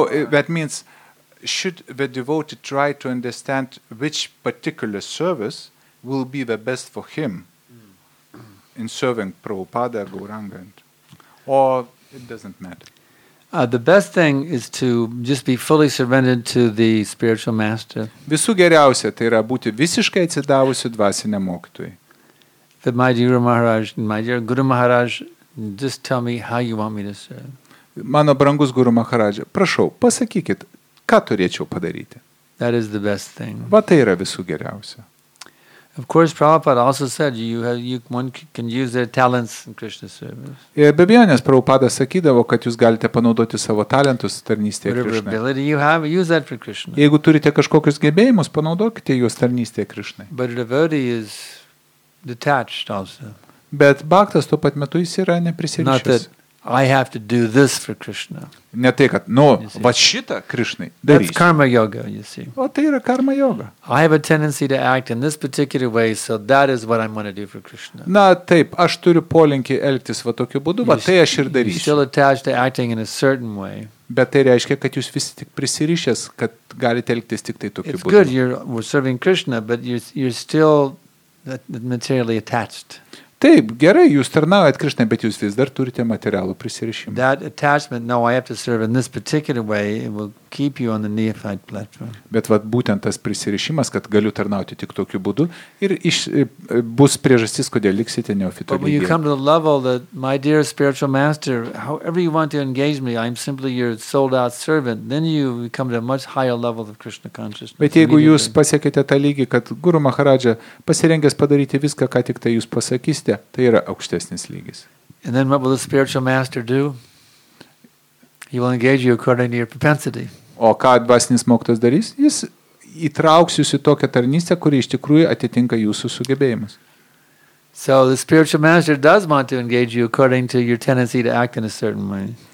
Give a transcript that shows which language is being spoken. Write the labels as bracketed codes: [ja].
[en] That means, should the devotee try to understand which particular service will be the best for him in serving Prabhupada, Gauranga, or it doesn't matter? The best thing is to just be fully surrendered to the spiritual master. [lt] Visų geriausia, tai yra būti visiškai atsidavusiu dvasiniam mokytojui. [en] That my dear Maharaj, my dear Guru Maharaj, just tell me how you want me to serve. [lt] Mano brangus Guru Maharaja, prašau, pasakykit, ką turėčiau padaryti. [en] That is the best thing. [lt] Va tai yra visų geriausia. [en] Of course, Prabhupada also said one can use their talents in Krishna's service. [lt] Be abejonės, Prabhupada sakydavo, kad jūs galite panaudoti savo talentus tarnystėje Krishna. [en] Whatever ability you have, use that for Krishna. [lt] Jeigu turite kažkokius gebėjimus, panaudokite juos tarnystėje Krishna. [en] But a devotee is detached also. [lt] Bet baktas tuo pat metu jis yra neprisirišęs. [en] Not that I have to do this for Krishna. [lt] Ne tai, kad, nu, va šitą Krishnai darysiu. [en] That's karma yoga, you see. [lt] O tai yra karma yoga. [en] I have a tendency to act in this particular way, so that is what I'm going to do for Krishna. [lt] Na, taip, aš turiu polinkį elgtis va tokiu būdu, va tai aš ir darysiu. [en] You're still attached to acting in a certain way. [lt] Bet tai reiškia, kad jūs visi tik prisirišęs, kad galite elgtis tik tai tokiu [en] It's [lt] būdu. [en] It's good, you're serving Krishna, but you're still materially attached. [lt] Taip, gerai, jūs tarnaujat Krishnai, bet jūs vis dar turite materialų prisirišimą. [en] That attachment, no, I have to serve in this particular way, it will keep you on the neophyte platform. [lt] Bet vat būtent tas prisirišimas, kad galiu tarnauti tik tokiu būdu, ir bus priežastis, kodėl liksite neofito lygyje. [en] But you come to the level that, my dear spiritual master, however you want to engage me, I'm simply your sold-out servant, then you come to a much higher level of Krishna consciousness. [lt] Bet jeigu jūs pasiekite tą lygį, kad Guru Maharaja pasirengęs padaryti viską, ką tik tai jūs pasakys, tai yra aukštesnis lygis. [en] And then what will the spiritual master do? He will engage you according to your propensity. [lt] O ką dvasinis mokytojas darys? Jis įtrauksiu į tokią tarnystę, kuri iš tikrųjų atitinka jūsų sugebėjimus. [en] So the spiritual master does want to engage you according to your tendency to act in a certain way.